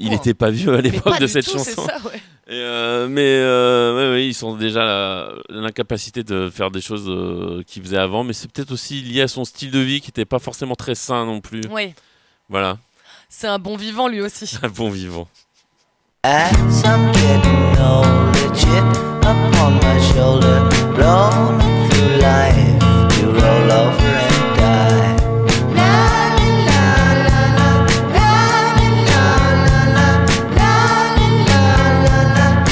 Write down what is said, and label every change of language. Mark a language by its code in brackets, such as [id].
[fr] il n'était pas vieux à l'époque de cette chanson. Mais ils sont déjà l'incapacité de faire des choses qu'ils faisaient avant. Mais c'est peut-être aussi lié à son style de vie qui n'était pas forcément très sain non plus. Oui. Voilà. C'est un bon vivant lui aussi. Un bon vivant. [en] Some kid, no legit, upon my shoulder, blown through life. Roll over and die. La la la la la la la la la la la la la la la.